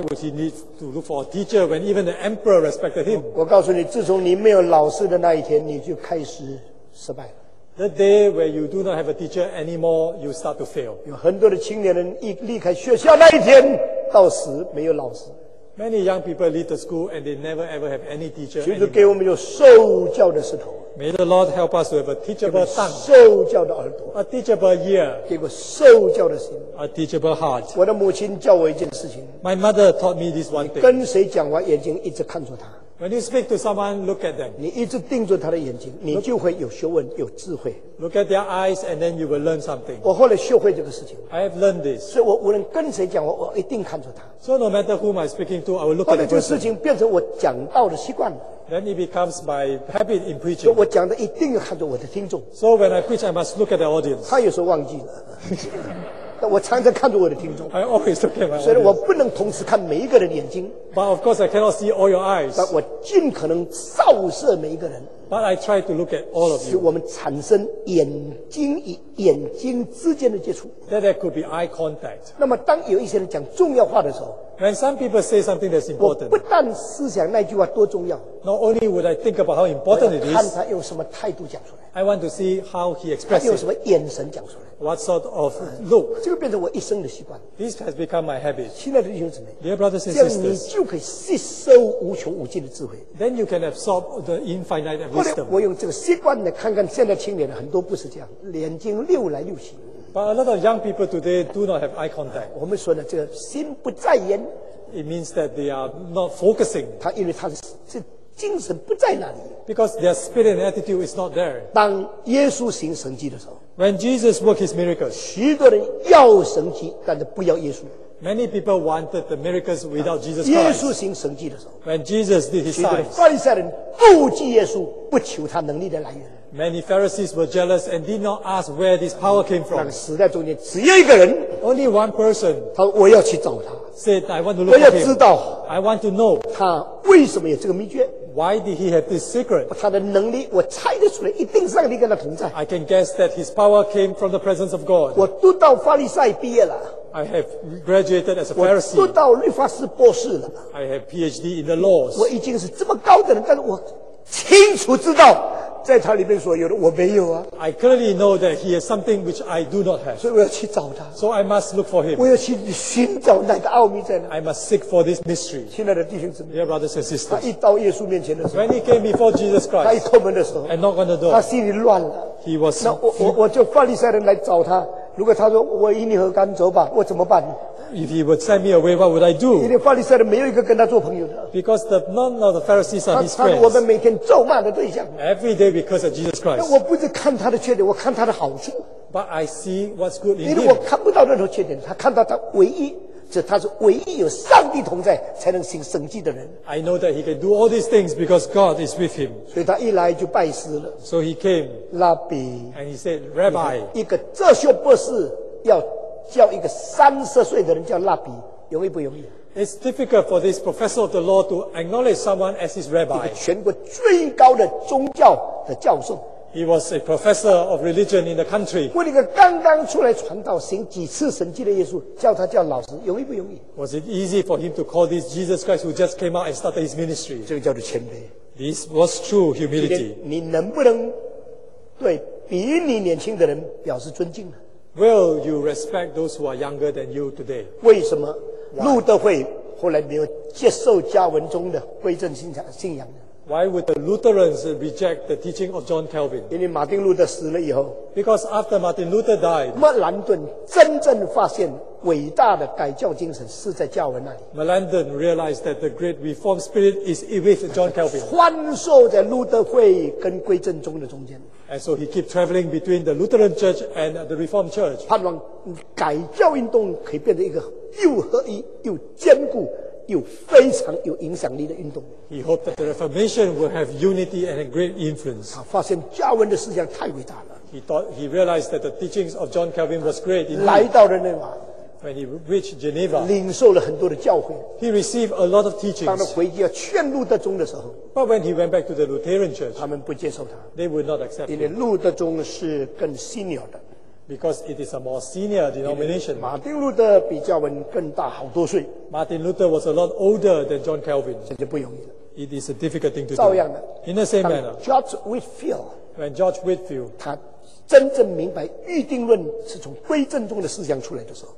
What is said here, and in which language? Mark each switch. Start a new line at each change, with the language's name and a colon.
English: Why would he need to look for a teacher when even the emperor respected him?
Chinese: 我告诉你，自从你没有老师的那一天，你就开始失败了。
English: The day where you do not have a teacher anymore, you start to fail.
Chinese: 有很多的青年人一离开学校那一天，到死没有老师。
English: Many young people leave the school and they never ever have any teacher.
Chinese: 就是给我们有受教的石头。
English: May the Lord help us to have a teachable tongue.
Chinese: 受教的耳朵。
English: A teachable ear.
Chinese: 给我受教的心。
English: A teachable heart.
Chinese: 我的母亲教我一件事情。
English: My mother taught me this one thing.
Chinese: 跟谁讲话，眼睛一直看着他。
English: When you speak to someone, look at them.
Chinese: 你一直盯着他的眼睛，你就会有学问，有智慧。
English: Look at their eyes, and then you will learn something.
Chinese: 我后来学会这个事情。
English: I have learned this.
Chinese: 所以我无论跟谁讲话，我一定看着他。
English: So no matter whom I'm speaking to, I will look at them.
Chinese: 后来这个事情变成我讲道的习惯了。
English: Then it becomes my habit in preaching.
Chinese: 所以我讲的一定要看着我的听众。
English: So when I preach, I must look at the audience.
Chinese: 他有时候忘记了。 但我常常看着我的听众，
English: I always look at my
Chinese: 虽然我不能同时看每一个人的眼睛，
English: but of course I cannot see all your eyes，
Chinese: 但我尽可能照射每一个人，
English: but I try to look at all of you，
Chinese: 使我们产生眼睛与眼睛之间的接触，
English: that there could be eye contact。
Chinese: 那么当有一些人讲重要话的时候，
English: when some people say something that's important，
Chinese: 我不但思想那句话多重要，
English: not only would I think about how important it is，
Chinese: 我要看他用什么态度讲出来。
English: I want to see how he expresses it. What sort of look?
Chinese: 这个变成我一生的习惯。
English: This has become my habit.
Chinese: 亲爱的弟兄姊妹,
English: Dear brothers and sisters,
Chinese: 这样你就可以吸收无穷无尽的智慧。
English: Then you can absorb the infinite wisdom.
Chinese: 后来我用这个习惯来看看现在青年人很多不是这样, 眼睛溜来溜去。
English: But a lot of young people today do not have eye contact.
Chinese: 我们说呢，这个心不在焉。
English: It means that they are not focusing.
Chinese: 因为他是 精神不在那里，
English: because their spirit and attitude is not there.
Chinese: 当耶稣行神迹的时候，
English: when Jesus worked his miracles,
Chinese: 许多人要神迹， 但是不要耶稣。
English: Many people wanted the miracles without Jesus Christ.
Chinese: 耶稣行神迹的时候，
English: when Jesus did his signs,
Chinese: 许多人犯下人顾忌耶稣， 不求他能力的来源。
English: Many Pharisees were jealous and did not ask where this power came from.
Chinese: 那个死在中间， 只有一个人，
English: only one person,
Chinese: 他说我要去找他，
English: said I want to look for him.
Chinese: 我要知道，
English: I want to know
Chinese: 他为什么有这个秘诀。
English: Why did he have this secret?
Chinese: 他的能力, 我猜得出来, 一定上帝跟他同在。
English: I can guess that his power came from the presence of God.
Chinese: 我读到法利赛毕业了。
English: I have graduated as a Pharisee.
Chinese: 我读到律法师博士了。
English: I have PhD in the laws.
Chinese: 我已经是这么高的人, 但是我清楚知道, 在他里面所有的我没有啊。
English: I clearly know that he has something which I do not have.
Chinese: 所以我要去找他。
English: So I must look for him.
Chinese: 我要去寻找那个奥秘在哪。
English: I must seek for this mystery.
Chinese: 亲爱的弟兄姊妹，
English: dear brothers and sisters,
Chinese: 他一到耶稣面前的时候，
English: when he came before Jesus Christ,
Chinese: 他一叩门的时候，
English: and knock on the door,
Chinese: 他心里乱了。
English: He was
Chinese: 那我就法利赛人来找他。如果他说我与你何干，走吧， 我怎么办？
English: If he would send me away, what would I do?
Chinese: 因为法利赛人没有一个跟他做朋友的。
English: Because the, none of the Pharisees are his friends.
Chinese: 他是我们每天咒骂的对象。
English: Every day we curse at Jesus Christ.
Chinese: 我不是看他的缺点， 我看他的好处。
English: But I see what's good in him.
Chinese: 因为我看不到任何缺点， 他看到他唯一， 这他是唯一有上帝同在才能行神迹的人。
English: I know that he can do all these things because God is with him.
Chinese: 所以他一来就拜师了。
English: So he came.
Chinese: 拉比。
English: And he said, Rabbi.
Chinese: 一个哲学博士要叫一个30岁的人叫拉比，容易不容易？
English: It's difficult for this professor of the law to acknowledge someone as his rabbi.
Chinese: 一个全国最高的宗教的教授。
English: He was a professor of religion in the country.
Chinese: 为一个刚刚出来传道行几次神迹的耶稣叫他叫老师容易不容易
English: Was it easy for him to call this Jesus Christ who just came out and started his ministry?
Chinese: 这个叫做谦卑
English: This was true humility.
Chinese: 你能不能对比你年轻的人表示尊敬呢
English: Will you respect those who are younger than you today?
Chinese: 为什么路德会后来没有接受加文宗的归正信仰呢
English: Why would the Lutherans reject the teaching of John Calvin?
Chinese: 因为马丁路德死了以后
English: Because after Martin Luther died,
Chinese: 莫兰顿真正发现伟大的改教精神是在加文那里。
English: Melanchthon realized that the great reform spirit is with John Calvin.
Chinese: 穿梭在路德会跟归正宗的中间。
English: And so he kept traveling between the Lutheran Church and the Reformed Church.
Chinese: 盼望改教运动可以变成一个又合一又坚固。有非常有影响力的运动。
English: He hoped that the Reformation would have unity and a great influence.
Chinese: 他发现加文的思想太伟大了。
English: He realized that the teachings of John Calvin was great.
Chinese: 来到了日内瓦。
English: When he reached Geneva,
Chinese: 领受了很多的教诲。
English: He received a lot of teachings.
Chinese: 当他回去要劝路德宗的时候。
English: But when he went back to the Lutheran Church,
Chinese: 他们不接受他。
English: They would not accept him.
Chinese: 因为路德宗是更 senior 的。
English: Because it is a more senior denomination.
Chinese: 马丁路德比加文更大好多岁。
English: Martin Luther was a lot older than John Calvin.
Chinese: 这就不容易了。
English: It is a difficult thing to do.
Chinese: 照样的。
English: In the same manner. When George Whitefield,
Chinese: 他真正明白预定论是从归正宗的思想出来的时候。